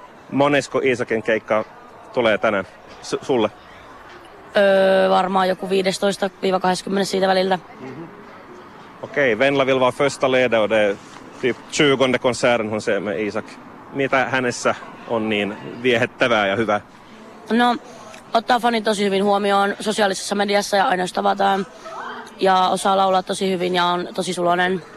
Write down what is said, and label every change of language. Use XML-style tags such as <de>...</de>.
<fi>Monesko Isakin keikka tulee tänään sulle? Varmaan joku 15-20 siitä väliltä. Mm-hmm.</fi> <sv>Okei, okay, Venla vill vara första ledare och det är typ 20:e konserten hon ser med Isak.</sv> <fi>Mitä hänessä on niin viehettävää ja hyvää? No, ottaa fanit tosi hyvin huomioon sosiaalisessa mediassa ja aina tavataan. Ja osaa laulaa tosi hyvin ja on tosi suloinen.</fi>